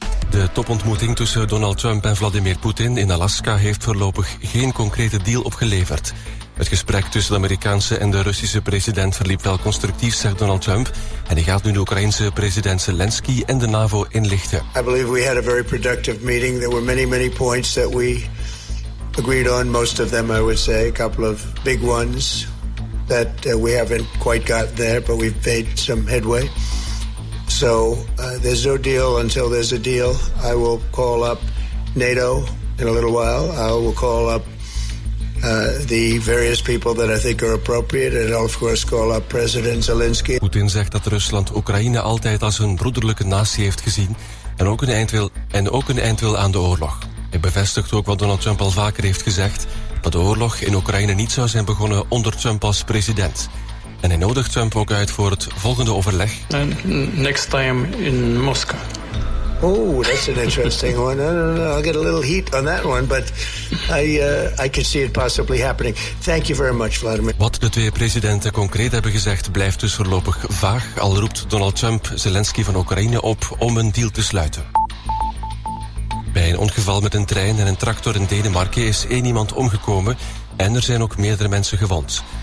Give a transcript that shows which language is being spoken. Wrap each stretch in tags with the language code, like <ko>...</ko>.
<nl>De topontmoeting tussen Donald Trump en Vladimir Poetin in Alaska heeft voorlopig geen concrete deal opgeleverd. Het gesprek tussen de Amerikaanse en de Russische president verliep wel constructief, zegt Donald Trump. En hij gaat nu de Oekraïnse president Zelensky en de NAVO inlichten.</nl> <en>I believe we had a very productive meeting. There were many, many points that we agreed on. Most of them, I would say, a couple of big ones that we haven't quite got there, but we've made some headway. So there's no deal until there's a deal. I will call up NATO in a little while. I will call up the various people that I think are appropriate. And I'll of course call up President Zelensky.</en> <nl>Poetin zegt dat Rusland Oekraïne altijd als een broederlijke natie heeft gezien en ook een eind wil, aan de oorlog. Hij bevestigt ook wat Donald Trump al vaker heeft gezegd, dat de oorlog in Oekraïne niet zou zijn begonnen onder Trump als president. En hij nodigt Trump ook uit voor het volgende overleg.</nl> <en>And next time in Moscow. Oh, that's an interesting one. I don't know. I'll get a little heat on that one, but I can see it possibly happening. Thank you very much, Vladimir.</en> <nl>Wat de twee presidenten concreet hebben gezegd, blijft dus voorlopig vaag. Al roept Donald Trump Zelensky van Oekraïne op om een deal te sluiten. Bij een ongeval met een trein en een tractor in Denemarken is één iemand omgekomen en er zijn ook meerdere mensen gewond.</nl>